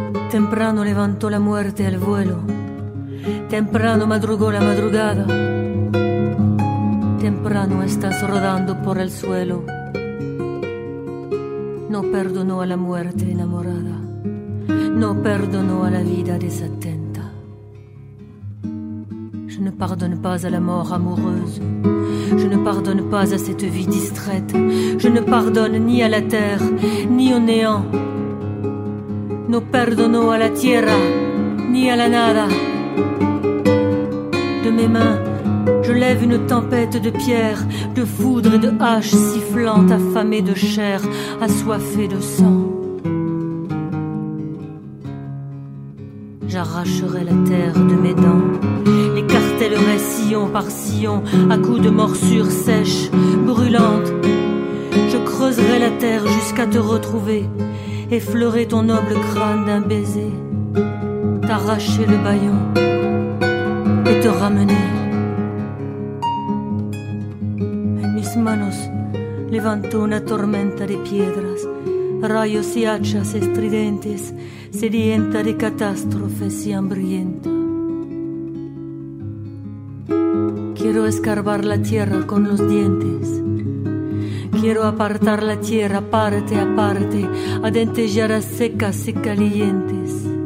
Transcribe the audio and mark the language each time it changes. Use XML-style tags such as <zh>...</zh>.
<es>Temprano levantó la muerte al vuelo, temprano madrugó la madrugada, temprano estás rodando por el suelo. No perdonó a la muerte enamorada, no perdonó a la vida desatenta.</es> <fr>Je ne pardonne pas à la mort amoureuse. Je ne pardonne pas à cette vie distraite. Je ne pardonne ni à la terre, ni au néant.</fr> <es>No perdono a la tierra, ni a la nada.</es> <fr>De mes mains, je lève une tempête de pierre, de foudre et de hache sifflante, affamée de chair, assoiffée de sang. J'arracherai la terre de mes dents, écartèlerai sillon par sillon à coups de morsures sèches, brûlantes. Je creuserai la terre jusqu'à te retrouver, effleurer ton noble crâne d'un baiser, t'arracher le bâillon et te ramener.</fr> <es>Mis manos levantó una tormenta de piedras, rayos y hachas estridentes, sedienta de catástrofes y hambrienta. Quiero escarbar la tierra con los dientes. Quiero apartar la tierra parte a parte, adentelladas secas y calientes.</es>